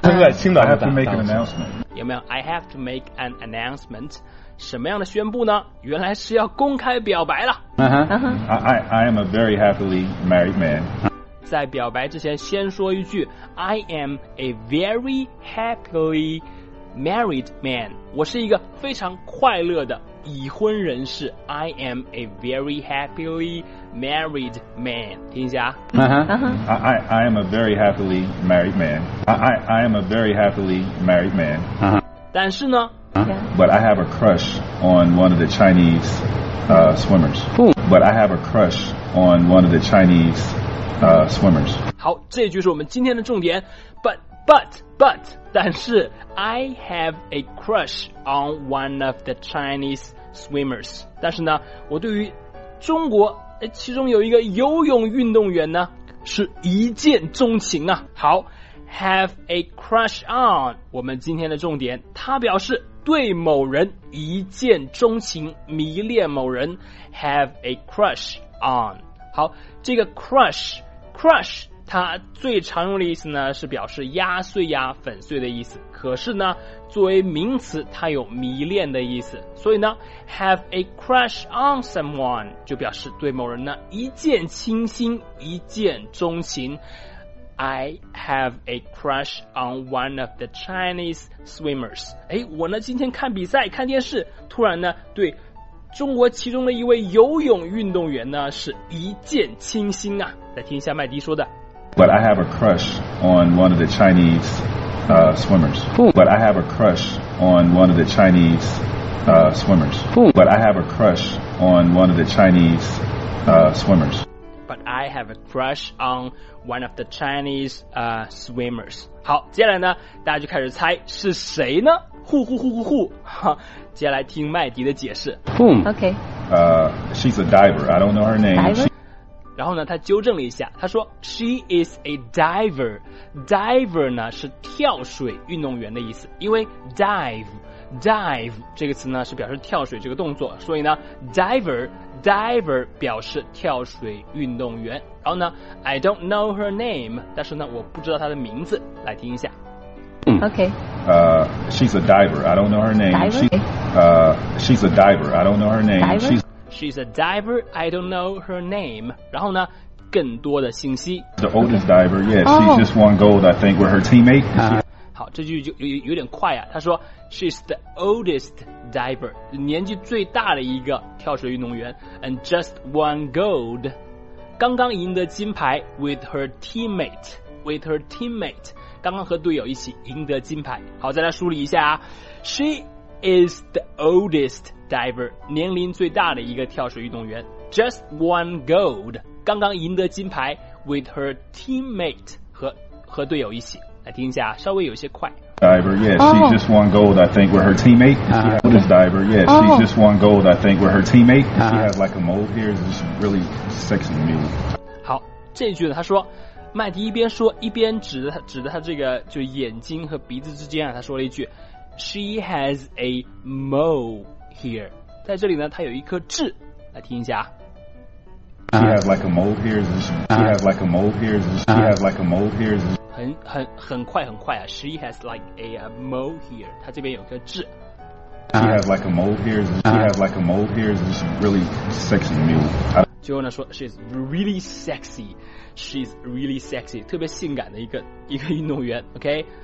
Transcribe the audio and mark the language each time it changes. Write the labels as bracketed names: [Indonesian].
[Chinese] 曾在青岛， [English] to make an announcement。 [Chinese] 有没有 [English] ？I have to make an announcement。 [Chinese] 什么样的宣布呢？原来是要公开表白了。 [English] I am a very happily married man。 [Chinese] 在表白之前，先说一句 ， [English] I am a very happily。 Married man， [Chinese] 我是一个非常快乐的已婚人士。 [English] I am a very happily married man。 [Chinese] 听一下。 [English] I am a very happily married man。 I am a very happily married man。 [Chinese] 但是呢。 [English] But I have a crush on one of the Chinese swimmers。 But I have a crush on one of the Chinese swimmers。 [Chinese] 好，这句是我们今天的重点。But 但是 [English] I have a crush on one of the Chinese swimmers， [Chinese] 但是呢我对于中国其中有一个游泳运动员呢是一见钟情啊。好， [English] have a crush on， [Chinese] 我们今天的重点，它表示对某人一见钟情，迷恋某人， have a crush on。好，这个 crush它最常用的意思呢是表示压碎呀粉碎的意思，可是呢作为名词它有迷恋的意思，所以呢 [English] have a crush on someone [Chinese] 就表示对某人呢一见倾心，一见钟情。 [English] I have a crush on one of the Chinese swimmers。 [Chinese] 诶，我呢今天看比赛看电视，突然呢对中国其中的一位游泳运动员呢是一见倾心啊。再听一下麦迪说的， [English] But I have a crush on one of the Chinese swimmers. But I have a crush on one of the Chinese swimmers. But I have a crush on one of the Chinese swimmers. But I have a crush on one of the Chinese swimmers. [Chinese] 好，接下来呢，大家就开始猜是谁呢？呼呼呼呼呼！哈，接下来听麦迪的解释。 [English] Boom. Okay. She's a diver. I don't know her name. Diver? [Chinese] 然后呢他纠正了一下，他说 [English] She is a diver。 [Chinese] Diver 呢是跳水运动员的意思，因为 dive 这个词呢是表示跳水这个动作，所以呢 diver 表示跳水运动员。然后呢 [English] I don't know her name， [Chinese] 但是呢我不知道她的名字，来听一下。 [English] OK She's a diver， I don't know her name。 She's a diver， I don't know her name。 She's a diver. I don't know her name. [Chinese] 然后呢，更多的信息。 [English] The oldest diver. Yeah, she just won gold. I think with her teammate.、 [Chinese] 好，这句就有点快啊。他说 ， [English] She's the oldest diver. [Chinese] 年纪最大的一个跳水运动员 ， [English] and just won gold. [Chinese] 刚刚赢得金牌 ， [English] with her teammate. With her teammate. [Chinese] 刚刚和队友一起赢得金牌。好，再来梳理一下啊。 [English] She is the oldest. [Chinese] Diver， 年龄最大的一个跳水运动员 ， [English] just won gold， [Chinese] 刚刚赢得金牌 ， [English] with her teammate [Chinese] 和队友一起，来听一下，稍微有些快。 [English] Diver， yes， she just won gold， I think with her teammate。 Oldest diver， yes， she just won gold， I think with her teammate。 She has like a mold here， this is really sexy to me。 [Chinese] 好，这句呢，他说，麦迪一边说一边指着他这个就眼睛和鼻子之间啊，他说了一句 ， [English] She has a mold。 [Chinese] Here， 在这里呢，它有一颗痣，来听一下。 [English] She has like a mole here. She has like a mole here. She has like a mole here. [Chinese] 很快啊 [English] ！She has like a mole here. [Chinese] 它这边有颗痣。 [English] She has like a mold here. It's just really sexy to me. She's really sexy. [Chinese] 特别性感的一个运动员 okay?